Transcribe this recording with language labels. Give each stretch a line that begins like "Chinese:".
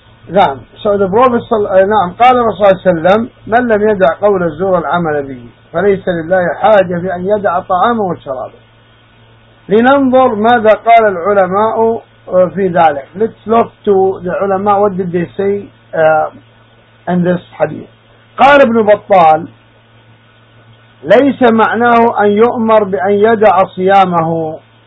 Arabic: نعم سعد بروفيس نعم قال رسول الله صلى الله عليه وسلم: من لم يدع قول الزور العمل به فليس لله حاجة في أن يدع طعامه وشرابه. لننظر ماذا قال العلماء في ذلك.
English: Let's look to the ulama, what did they say in this hadith.
Arabic: قال ابن بطال: ليس معناه أن يؤمر بأن يدع صيامه.